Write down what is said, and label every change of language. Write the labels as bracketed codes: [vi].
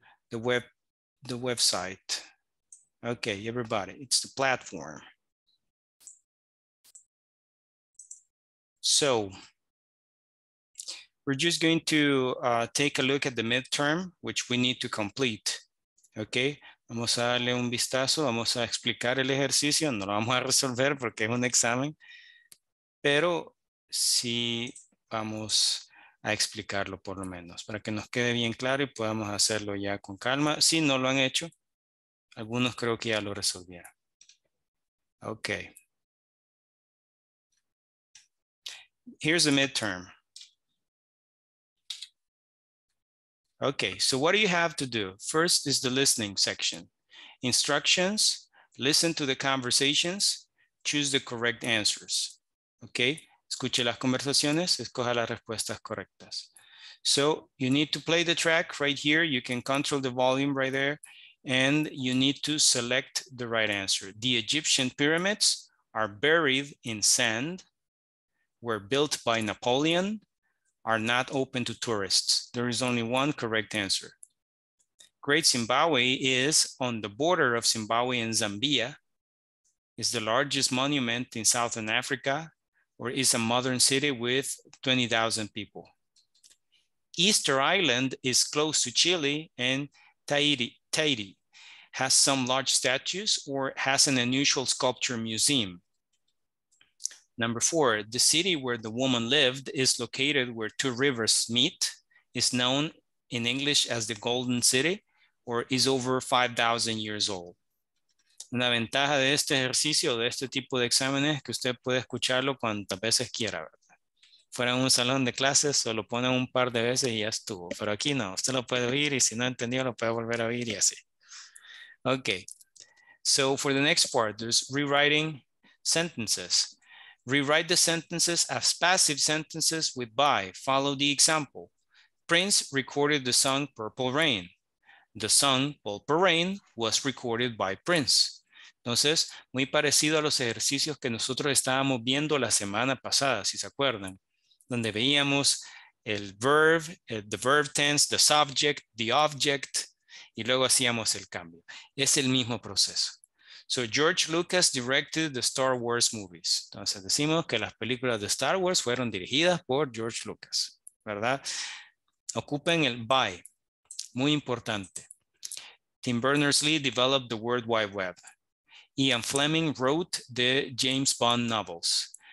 [en] The website. Okay, everybody, it's the platform. So we're just going to take a look at the midterm, which we need to complete. Okay. [es] Vamos a darle un vistazo, vamos a explicar el ejercicio, no lo vamos a resolver porque es un examen, pero sí vamos a explicarlo por lo menos para que nos quede bien claro y podamos hacerlo ya con calma. Si no lo han hecho, algunos creo que ya lo resolvieron. Ok. [en] Here's the midterm. Okay, so what do you have to do? First is the listening section. Instructions, listen to the conversations, choose the correct answers. [es] Okay, escuche las conversaciones, escoja las respuestas correctas. [en] So you need to play the track right here. You can control the volume right there. And you need to select the right answer. The Egyptian pyramids are buried in sand, were built by Napoleon, are not open to tourists. There is only one correct answer. Great Zimbabwe is on the border of Zimbabwe and Zambia, is the largest monument in Southern Africa, or is a modern city with 20,000 people. Easter Island is close to Chile, and Tahiti has some large statues or has an unusual sculpture museum. Number four, the city where the woman lived is located where two rivers meet, is known in English as the Golden City, or is over 5,000 years old. [es] Una ventaja de este ejercicio, de este tipo de exámenes, que usted puede escucharlo cuantas veces quiera, ¿verdad? Fuera en un salón de clases, solo pone un par de veces y ya estuvo. Pero aquí no, usted lo puede oír y si no entendió, lo puede volver a oír y así. [en] Okay, so for the next part, there's rewriting sentences. Rewrite the sentences as passive sentences with by. Follow the example. Prince recorded the song Purple Rain. The song Purple Rain was recorded by Prince. [es] Entonces, muy parecido a los ejercicios que nosotros estábamos viendo la semana pasada, si se acuerdan, donde veíamos el verb, the verb tense, the subject, the object, y luego hacíamos el cambio. Es el mismo proceso. [en] So George Lucas directed the Star Wars movies. [es] Entonces decimos que las películas de Star Wars fueron dirigidas por George Lucas, ¿verdad? Ocupen el by. Muy importante. [en] Tim Berners-Lee developed the World Wide Web. Ian Fleming wrote the James Bond novels.